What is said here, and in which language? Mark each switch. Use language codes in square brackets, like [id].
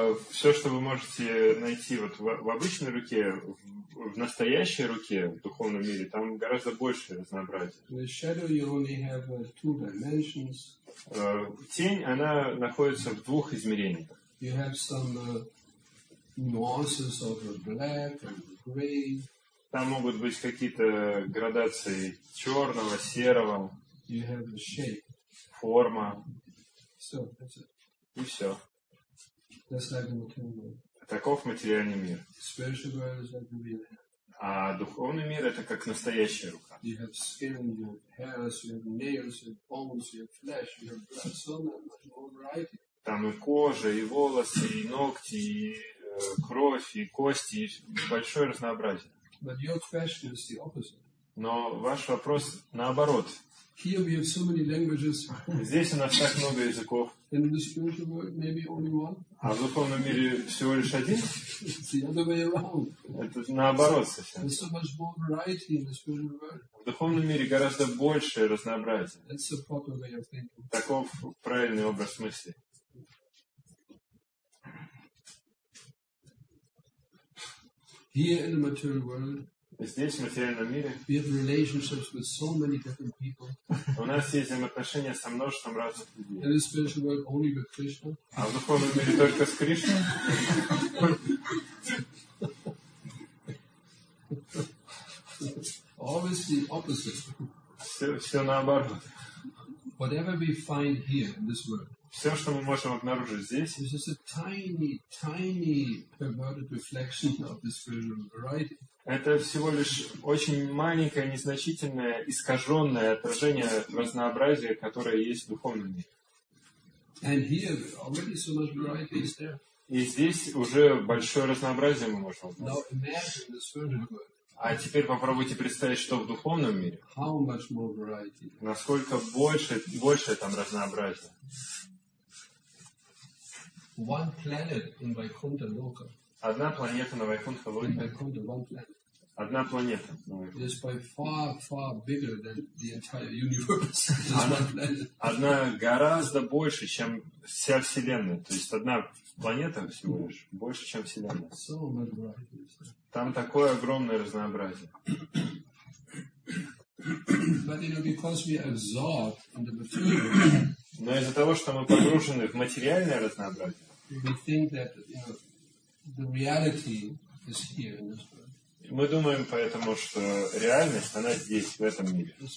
[ru] Все, что вы можете найти вот в обычной руке, в настоящей руке, в духовном мире, там гораздо больше разнообразия. [en] The shadow you only have two dimensions. [ru] Тень, она находится в двух измерениях. [en] You have some nuances of black and gray. [ru] Там могут быть какие-то градации черного, серого. [en] You have the shape. [ru] Форма. [en] So, that's it. [ru] И все. [en] That's like the material world. [ru] Таков материальный мир. [en] Spiritual world is like the real hand. [ru] А духовный мир — это как настоящая рука. [en] You have skin, you have hairs, you have nails, you have bones, you have flesh, you have blood, so much more variety. [ru] Там и кожа, и волосы, и ногти, и кровь, и кости, и большое разнообразие. [en] But your question is the opposite. [ru] Но ваш вопрос наоборот. [en] Here we have so many languages. [ru] Здесь у нас так много языков. [en] In the spiritual world, maybe only one. [ru] А в духовном мире всего лишь один? [en] It's the other way around. [ru] Это наоборот совсем. [en] There's so much more variety in the spiritual world. [ru] В духовном мире гораздо больше разнообразия. [en] That's the proper way of thinking. [ru] Таков правильный образ мысли. [en] Here in the material world, [ru] здесь, в материальном мире, [en] we have relationships with so many different people. [ru] У нас есть взаимоотношения со множеством разных людей. [en] In the spiritual world, only with Krishna. [ru] А в духовном мире только с Кришной? [en] Always the opposite. [ru] Все наоборот. [en] Whatever we find here in this world. [ru] Все, что мы можем обнаружить здесь, [en] it's just a tiny, tiny perverted reflection of this spiritual variety. [ru] Это всего лишь очень маленькое, незначительное, искаженное отражение разнообразия, которое есть в духовном мире. [en] And here, already so much variety is there. [ru] И здесь уже большое разнообразие мы можем обнаружить. [en] Now imagine the spiritual world. [ru] А теперь попробуйте представить, что в духовном мире. [en] How much more variety? [ru] Насколько больше там разнообразия. [en] One planet in Vaikuntha Loka. [ru] Одна планета на Вайкунтха Локе. Одна планета. [en] It's by far, far bigger than the entire universe. [ru] Одна гораздо больше, чем вся Вселенная. То есть одна планета всего лишь больше, чем Вселенная. [en] So much variety. [ru] Там такое огромное разнообразие. [en] But you know, because we absorb in the material. [ru] Но из-за того, что мы погружены в материальное разнообразие. [en] We think that, you know, the reality is here in this world. [ru] Мы думаем поэтому, что реальность, она здесь, в этом мире.